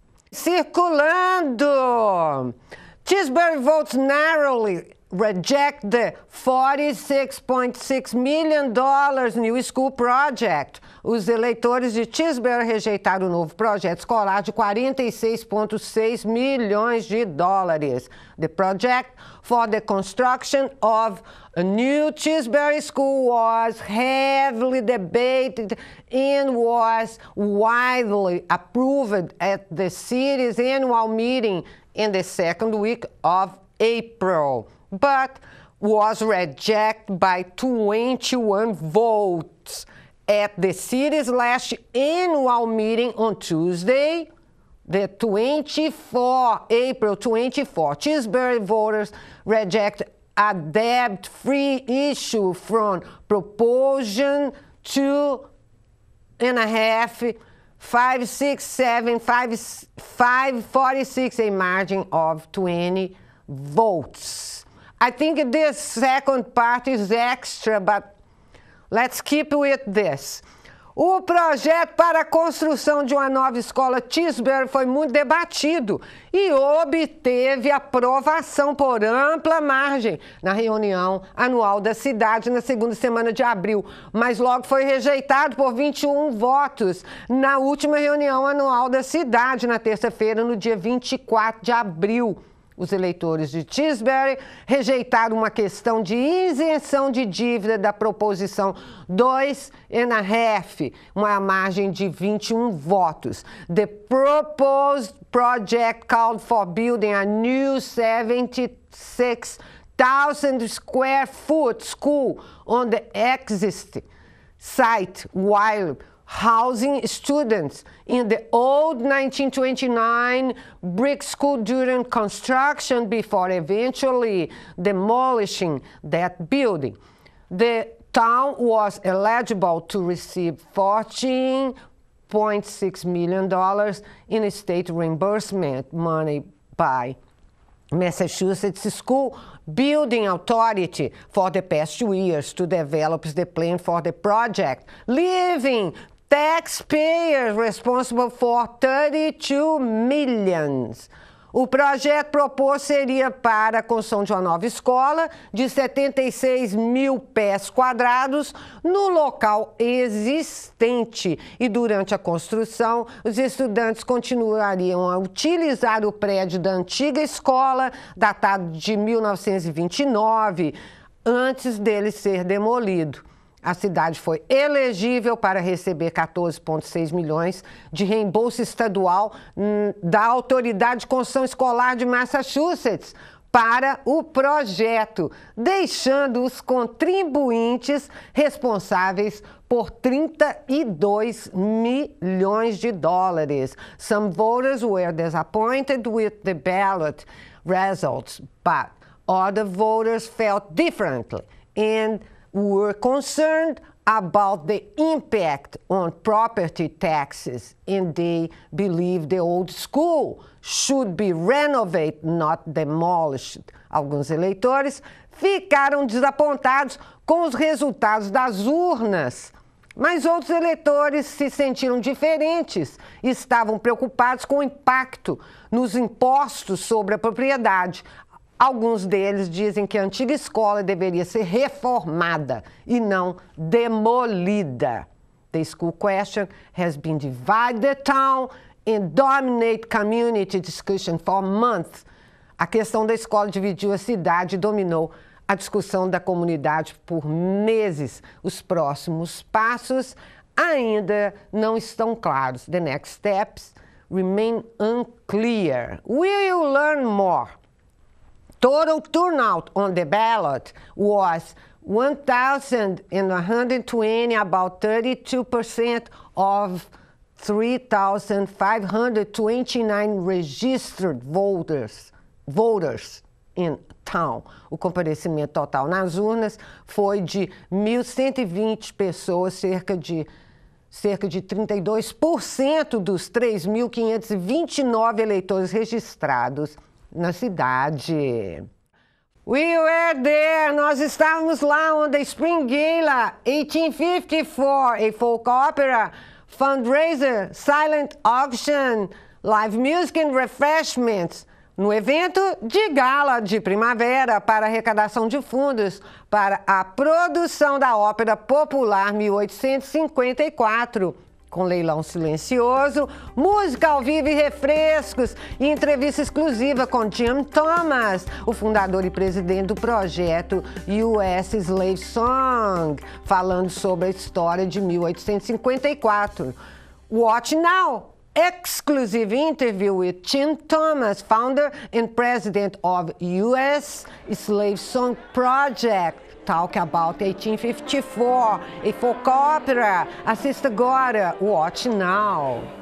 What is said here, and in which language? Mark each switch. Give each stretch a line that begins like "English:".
Portuguese: Circulando!
English: Tisbury votes narrowly reject the $46.6 million new school project.
Portuguese: Os eleitores de Tisbury rejeitaram o novo projeto escolar de $46.6 million.
English: The project for the construction of a new Tisbury school was heavily debated and was widely approved at the city's annual meeting in the second week of April, but was rejected by 21 votes at the city's last annual meeting on Tuesday, the 24 April. Tisbury voters reject a debt-free issue from proposition 2.5567546, a margin of 20 votes. I think this second part is extra, but let's keep with this.
Portuguese: O projeto para a construção de uma nova escola Tisbury foi muito debatido e obteve aprovação por ampla margem na reunião anual da cidade na segunda semana de abril, mas logo foi rejeitado por 21 votos na última reunião anual da cidade na terça-feira, no dia 24 de abril. Os eleitores de Tisbury rejeitaram uma questão de isenção de dívida da proposição 2 NRF, uma margem de 21 votos.
English: The proposed project called for building a new 76,000 square foot school on the existing site while housing students in the old 1929 brick school during construction before eventually demolishing that building. The town was eligible to receive $14.6 million in state reimbursement money by Massachusetts School Building Authority for the past years to develop the plan for the project, leaving taxpayers responsible for $32 million.
Portuguese: O projeto proposto seria para a construção de uma nova escola de 76 mil pés quadrados no local existente. E durante a construção, os estudantes continuariam a utilizar o prédio da antiga escola, datado de 1929, antes dele ser demolido. A cidade foi elegível para receber 14,6 milhões de reembolso estadual da Autoridade de Construção Escolar de Massachusetts para o projeto, deixando os contribuintes responsáveis por $32 million.
English: Some voters were disappointed with the ballot results, but other voters felt differently and were concerned about the impact on property taxes, and they believe the old school should be renovated, not demolished.
Portuguese: Alguns eleitores ficaram desapontados com os resultados das urnas, mas outros eleitores se sentiram diferentes e estavam preocupados com o impacto nos impostos sobre a propriedade. Alguns deles dizem que a antiga escola deveria ser reformada e não demolida.
English: The school question has been divided the town and dominated community discussion for months.
Portuguese: A questão da escola dividiu a cidade e dominou a discussão da comunidade por meses. Os próximos passos ainda não estão claros.
English: The next steps remain unclear. Will you learn more? Total turnout on the ballot was 1,120, about 32% of 3,529 registered voters in town.
Portuguese: O comparecimento total nas urnas foi de 1.120 pessoas, cerca de 32% dos 3.529 eleitores registrados na cidade.
English: We were there,
Portuguese: nós estávamos lá,
English: on the Spring Gala 1854, a folk opera, fundraiser, silent auction, live music and refreshments,
Portuguese: no evento de gala de primavera para arrecadação de fundos para a produção da ópera popular 1854. Com leilão silencioso, música ao vivo e refrescos e entrevista exclusiva com Jim Thomas, o fundador e presidente do projeto US Slave Song, falando sobre a história de 1854.
English: Watch now! Exclusive interview with Jim Thomas, founder and president of US Slave Song Project. Talk about 1854, a folk opera.
Portuguese: Assista agora,
English: watch now.